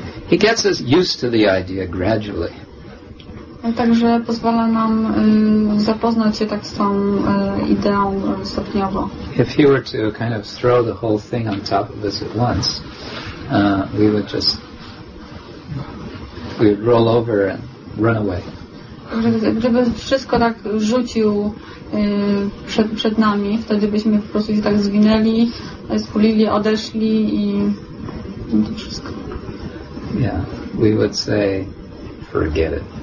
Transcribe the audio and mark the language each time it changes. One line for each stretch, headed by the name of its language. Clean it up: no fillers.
English: He gets us used to the idea gradually.
Polish: Także pozwala nam zapoznać się tak z tą ideą stopniowo.
English: If you were to kind of throw the whole thing on top of us at once, we would roll over and run away.
Polish: Gdyby wszystko tak rzucił przed nami, wtedy byśmy po prostu się tak zwinęli, skulili, odeszli i to wszystko.
English: Yeah, we would say, forget it.